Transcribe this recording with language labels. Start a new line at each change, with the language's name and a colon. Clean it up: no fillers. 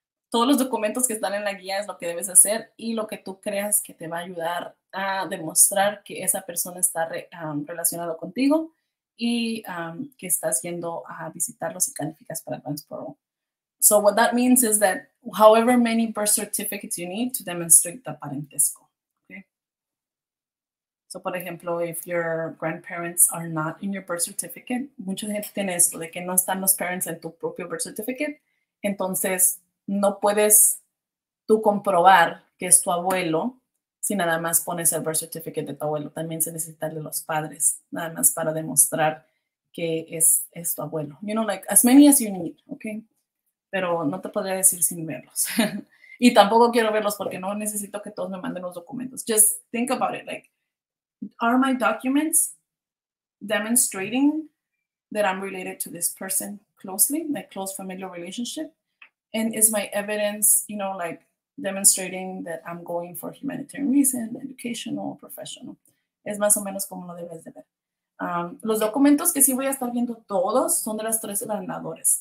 Spanish: Todos los documentos que están en la guía es lo que debes hacer y lo que tú creas que te va a ayudar a demostrar que esa persona está relacionado contigo y que estás yendo a visitarlos y calificas para Advance Parole.
English: So what that means is that however many birth certificates you need to demonstrate the parentesco.
Spanish: Okay. So por ejemplo,
English: if your grandparents are not in your birth certificate,
Spanish: mucha gente tiene esto de que no están los parents en tu propio birth certificate, entonces no puedes tú comprobar que es tu abuelo si nada más pones el birth certificate de tu abuelo. También se necesita de los padres, nada más para demostrar que es tu abuelo.
English: You know, like, as many as you need, okay?
Spanish: Pero no te podría decir sin verlos. Y tampoco quiero verlos porque no necesito que todos me manden los documentos.
English: Just think about it, like, are my documents demonstrating that I'm related to this person closely, my close familial relationship? And is my evidence, you know, like, demonstrating that I'm going for humanitarian reason, educational, professional.
Spanish: Es más o menos como lo debes de ver. Los documentos que sí voy a estar viendo todos son de las tres ganadores.